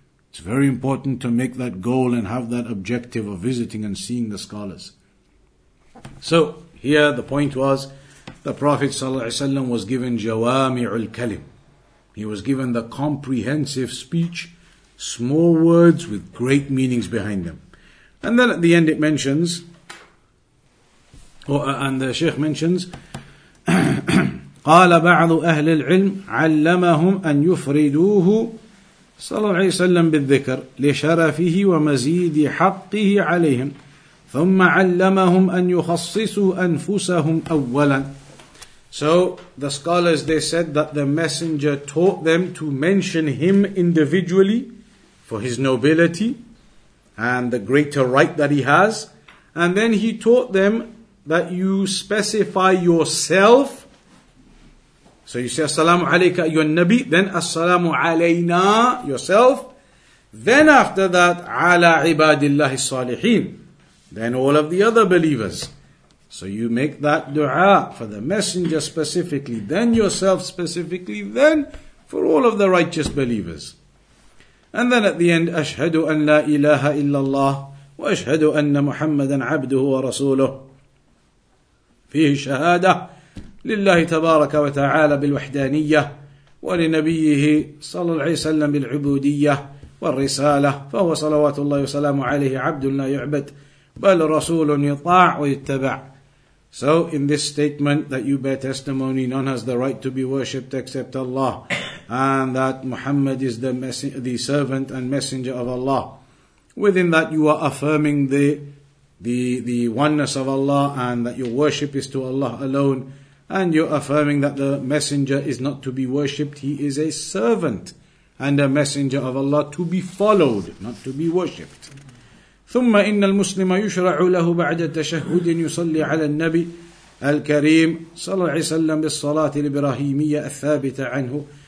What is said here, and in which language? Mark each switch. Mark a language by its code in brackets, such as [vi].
[en] It's very important to make that goal and have that objective of visiting and seeing the scholars. So, here the point was, the Prophet ﷺ was given Jawami'ul Kalim. He was given the comprehensive speech, small words with great meanings behind them. And then at the end it mentions, and the Sheikh mentions, [ar] قَالَ بَعْضُ أَهْلِ الْعِلْمِ عَلَّمَهُمْ أَنْ يُفْرِدُوهُ صلى الله عليه وسلم بالذكر لشرفه ومزيد حقه عليهم ثم علمهم أن يخصصوا أنفسهم أولا. [en] So the scholars, they said that the messenger taught them to mention him individually for his nobility and the greater right that he has, and then he taught them that you specify yourself. So you say, [ar] As-salamu alayka, [en] you're Nabi, then [ar] As-salamu alayna, [en] yourself. Then after that, [ar] ala ibadillahi salihin, [en] then all of the other believers. So you make that dua for the messenger specifically, then yourself specifically, then for all of the righteous believers. And then at the end, [ar] ashhadu an la ilaha illallah, wa ashhadu anna muhammadan abduhu wa rasuluh. Fihi shahada. لله تبارك وتعالى بالوحدانية ولنبيه صلى الله عليه وسلم بالعبودية والرسالة فهو صلوات الله وسلامه عليه عبد لا يعبد بل رسول يطاع ويتبع. [en] So in this statement that you bear testimony, none has the right to be worshipped except Allah, and that Muhammad is the servant and messenger of Allah. Within that you are affirming the oneness of Allah, and that your worship is to Allah alone. And you're affirming that the messenger is not to be worshipped. He is a servant and a messenger of Allah to be followed, not to be worshipped. [ar] ثم إن المسلم يشرع له بعد تشهد يصلي على النبي الكريم صلى الله عليه وسلم بالصلاة الإبراهيمية الثابتة عنه.